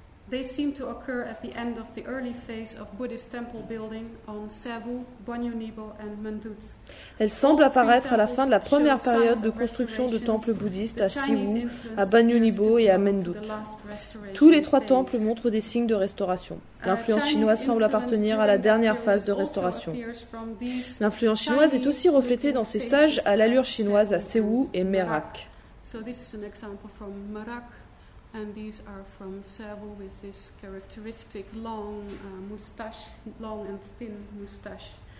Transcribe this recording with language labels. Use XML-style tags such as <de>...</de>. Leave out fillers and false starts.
<en>They seem to occur at the end of the early phase of Buddhist temple building on Sewu, Bonyunibo and Mandut.</en> <fr>Elles semblent apparaître à la fin de la première période de construction de temples bouddhistes à Sewu, à Bonyunibo et à Mandut. Tous les trois temples montrent des signes de restauration. L'influence chinoise semble appartenir à la dernière phase de restauration. L'influence chinoise est aussi reflétée dans ces sages à l'allure chinoise à Sewu et Merak.</fr> <en>So this is an example from Merak. And these are from Sewu with this characteristic long moustache, long and thin moustache.</en>